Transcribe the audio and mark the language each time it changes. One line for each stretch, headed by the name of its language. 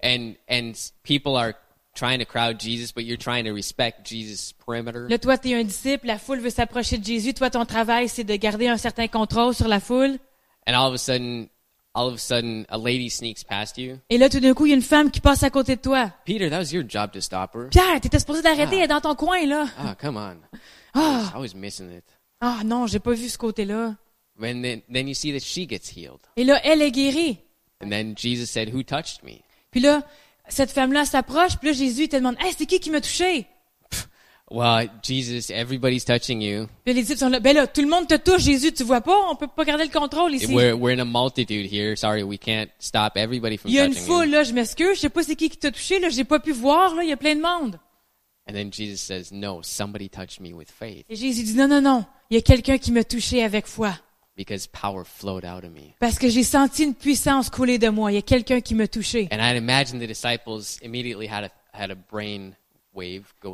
English: And people are trying to crowd Jesus, but you're trying to respect Jesus' perimeter.
French: Là, toi, t'es un disciple. La foule veut s'approcher de Jésus. Toi, ton travail, c'est de garder un certain contrôle sur la foule.
English: And all of a sudden, a lady sneaks past you.
French: Et là, tout d'un coup, il y a une femme qui passe à côté de toi.
English: Peter, that was your job to stop her.
French: Pierre, t'étais supposé d'arrêter. Elle est dans ton coin, là.
English: Ah, come on. I was missing it.
French: Ah, non, j'ai pas vu ce côté-là.
English: Then you see that she gets healed.
French: Et là, elle est guérie.
English: And then Jesus said, who touched me?
French: Puis là, cette femme-là s'approche, puis là, Jésus, il te demande, « Hey, c'est qui m'a touché? »
English: Well, Jesus, everybody's touching you.
French: Puis les disciples sont là, « Ben là, tout le monde te touche, Jésus, tu vois pas? On peut pas garder le contrôle ici. »
English: We're in a multitude here. Sorry, we can't stop everybody from touching
French: you. Il y a une foule, là, je m'excuse, je sais pas c'est qui t'a touché, là, j'ai pas pu voir, là, il y a plein de monde.
English: And then Jesus says, « No, somebody touched me with faith. »
French: Et Jésus dit, « Non, il y a quelqu'un qui m'a touché avec foi. »
English: Because power flowed out of me.
French: Parce que j'ai senti une puissance couler de moi. Il y a quelqu'un qui m'a touché.
English: And I imagine the disciples immediately had a brain wave go